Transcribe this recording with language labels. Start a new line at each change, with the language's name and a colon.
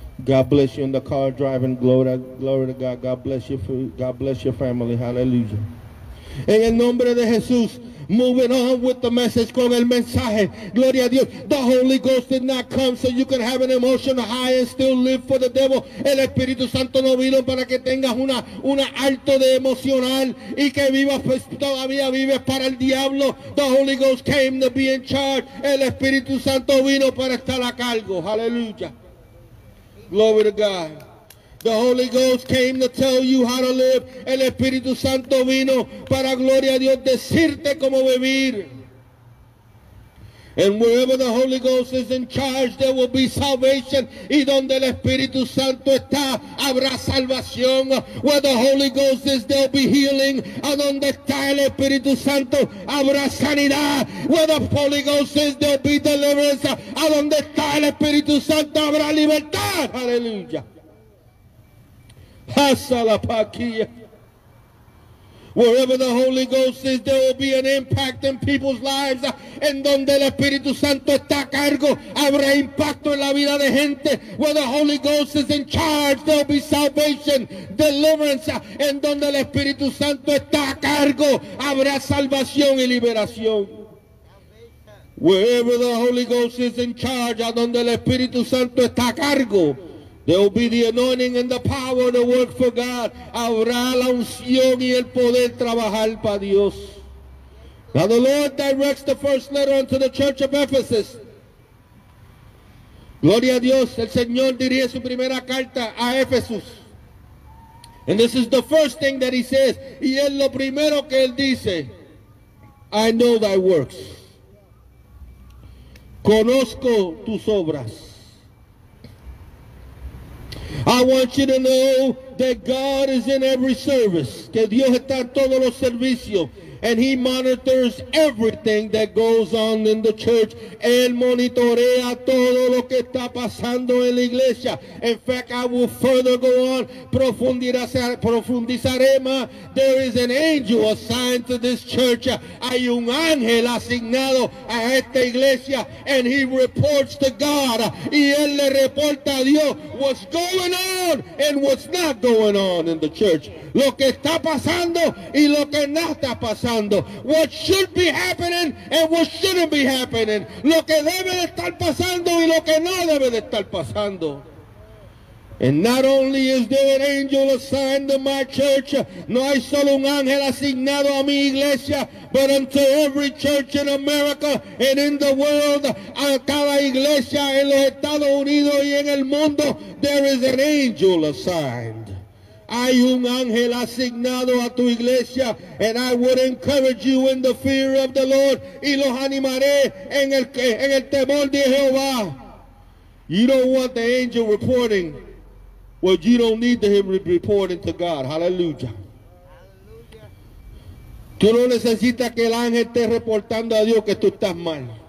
English: God bless you in the car driving. Glory to God. God bless you. God bless your family. Hallelujah.
Spanish: En el nombre de Jesús.
English: Moving on with the message,
Spanish: con el mensaje. Gloria a Dios.
English: The Holy Ghost did not come so you can have an emotional high and still live for the devil.
Spanish: El Espíritu Santo no vino para que tengas una alto de emocional y que vivas, pues, todavía vives para el diablo.
English: The Holy Ghost came to be in charge.
Spanish: El Espíritu Santo vino para estar a cargo.
English: Hallelujah. Glory to God. The Holy Ghost came to tell you how to live.
Spanish: El Espíritu Santo vino para, gloria a Dios, decirte cómo vivir.
English: And wherever the Holy Ghost is in charge, there will be salvation.
Spanish: Y donde el Espíritu Santo está, habrá salvación.
English: Where the Holy Ghost is, there will be healing.
Spanish: A donde está el Espíritu Santo, habrá sanidad.
English: Where the Holy Ghost is, there will be deliverance.
Spanish: A donde está el Espíritu Santo, habrá libertad. Hallelujah. Hasta la paquilla.
English: Wherever the Holy Ghost is, there will be an impact in people's lives.
Spanish: En donde el Espíritu Santo está a cargo, habrá impacto en la vida de gente.
English: Where the Holy Ghost is in charge, there will be salvation, deliverance.
Spanish: En donde el Espíritu Santo está a cargo, habrá salvación y liberación.
English: Wherever the Holy Ghost is in charge,
Spanish: a donde el Espíritu Santo está a cargo,
English: There will be the anointing and the power to work for God.
Spanish: Habrá la unción y el poder trabajar para Dios.
English: Now the Lord directs the first letter unto the church of Ephesus.
Spanish: Gloria a Dios, el Señor dirige su primera carta a Éfesus.
English: And this is the first thing that he says.
Spanish: Y es lo primero que él dice.
English: I know thy works.
Spanish: Conozco tus obras.
English: I want you to know that God is in every service.
Spanish: Que Dios está en todos los servicios.
English: And he monitors everything that goes on in the church.
Spanish: Él monitorea todo lo que está pasando en la iglesia.
English: In fact, I will further go on.
Spanish: Profundizaré más.
English: There is an angel assigned to this church.
Spanish: Hay un ángel asignado a esta iglesia.
English: And he reports to God.
Spanish: Y él le reporta a Dios
English: what's going on and what's not going on in the church.
Spanish: Lo que está pasando y lo que no está pasando.
English: What should be happening and what shouldn't be happening.
Spanish: Lo que debe de estar pasando y lo que no debe de estar pasando.
English: And not only is there an angel assigned to my church,
Spanish: no hay solo un ángel asignado a mi iglesia,
English: but unto every church in America and in the world,
Spanish: a cada iglesia en los Estados Unidos y en el mundo,
English: there is an angel assigned.
Spanish: Hay un ángel asignado a tu iglesia,
English: and I would encourage you in the fear of the Lord,
Spanish: y los animaré en el temor de Jehová.
English: You don't want the angel reporting what you don't need him reporting to God. Hallelujah.
Spanish: Tú no necesitas que el ángel esté reportando a Dios que tú estás mal.